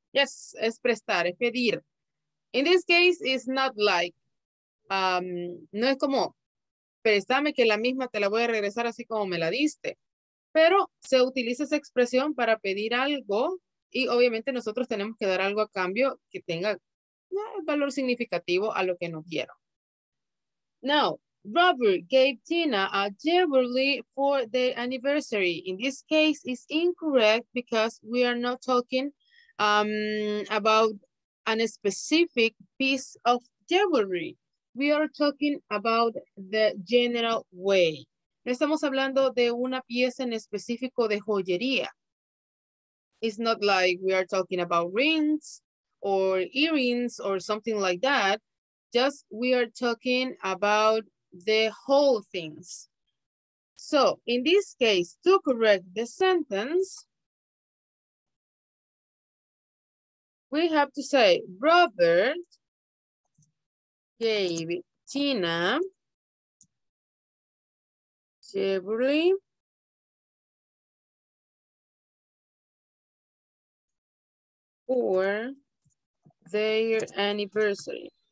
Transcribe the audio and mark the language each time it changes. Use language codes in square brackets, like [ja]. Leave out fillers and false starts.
[es] Yes, es prestar, es pedir. [en] In this case, it's not like, [es] no es como, préstame que la misma te la voy a regresar así como me la diste. Pero se utiliza esa expresión para pedir algo y obviamente nosotros tenemos que dar algo a cambio que tenga valor significativo a lo que nos dieron. [en] Now, Robert gave Tina a jewelry for the anniversary. In this case, it's incorrect because we are not talking about a specific piece of jewelry. We are talking about the general way. [es] No estamos hablando de una pieza en específico de joyería. [en] It's not like we are talking about rings or earrings or something like that. Just we are talking about the whole things. So in this case, to correct the sentence, we have to say, Robert gave Tina jewelry for their anniversary.